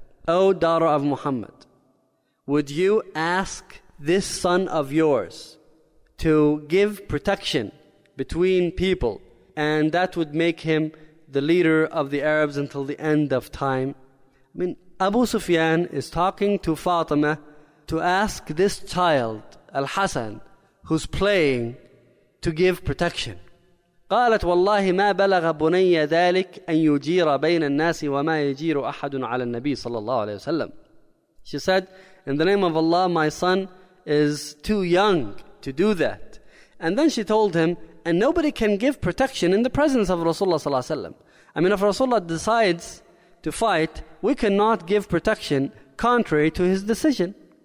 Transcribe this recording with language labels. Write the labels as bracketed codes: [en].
[en] O daughter of Muhammad, would you ask this son of yours to give protection between people and that would make him the leader of the Arabs until the end of time? I mean, Abu Sufyan is talking to Fatima to ask this child, Al-Hasan, who's playing, to give protection. [ar] قالت والله ما بلغ بني ذلك أن يجير بين الناس وما يجير أحد على النبي صلى الله عليه وسلم. [en] She said, in the name of Allah, my son is too young to do that. And then she told him, and nobody can give protection in the presence of Rasulullah صلى الله عليه وسلم. I mean, if Rasulullah decides to fight, we cannot give protection contrary to his decision.